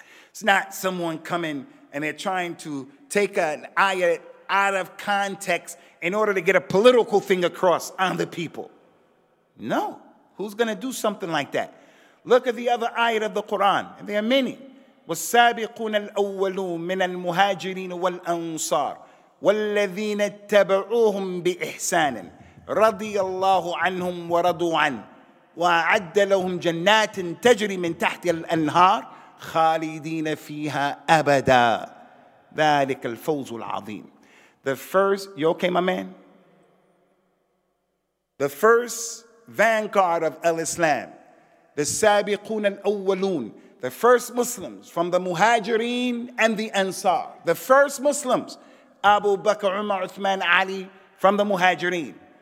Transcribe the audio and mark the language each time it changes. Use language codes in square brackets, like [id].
[en] It's not someone coming and they're trying to take an ayat out of context in order to get a political thing across on the people. No. Who's going to do something like that? Look at the other ayat of the Quran. And there are many. [ar] والسابقون الأولون من المهاجرين والأنصار والذين اتبعوهم بإحسان رضي الله عنهم ورضوا عنه وأعد لهم جنات تجري من تحت الأنهار خالدين فيها أبدا ذلك الفوز العظيم. [en] The first, you okay my man? The first vanguard of Islam, the [ar] السابقون الأولون, [en] the first Muslims from the Muhajireen and the Ansar. The first Muslims, Abu Bakr, Umar, Uthman, Ali, from the Muhajireen.